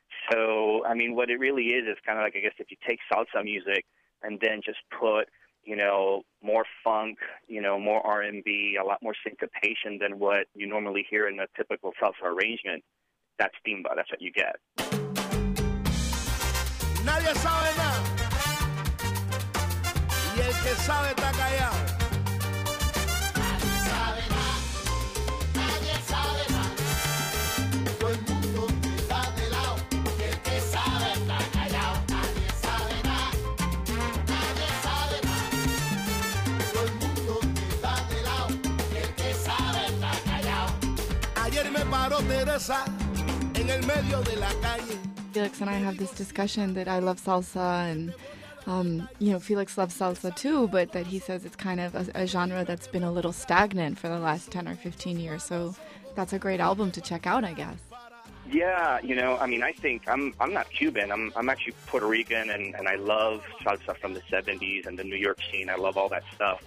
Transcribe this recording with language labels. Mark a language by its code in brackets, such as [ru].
[en] So, I mean, what it really is kind of like, I guess, if you take salsa music and then just put, you know, more funk, you know, more R&B, a lot more syncopation than what you normally hear in a typical salsa arrangement, that's timba, that's what you get. [es] Nadie sabe nada, y el que sabe está callado. Nadie sabe nada, todo el mundo está de lado. Y el que sabe está callado. Nadie sabe nada, nadie sabe nada. Todo el mundo está de lado. ayer me paró Teresa en el medio de la calle. [en] Felix and I have this discussion that I love salsa, and you know, Felix loves salsa too, but that he says it's kind of a genre that's been a little stagnant for the last 10 or 15 years. So that's a great album to check out, I guess. Yeah, you know, I mean, I think I'm not Cuban. I'm actually Puerto Rican, and I love salsa from the 70s and the New York scene. I love all that stuff.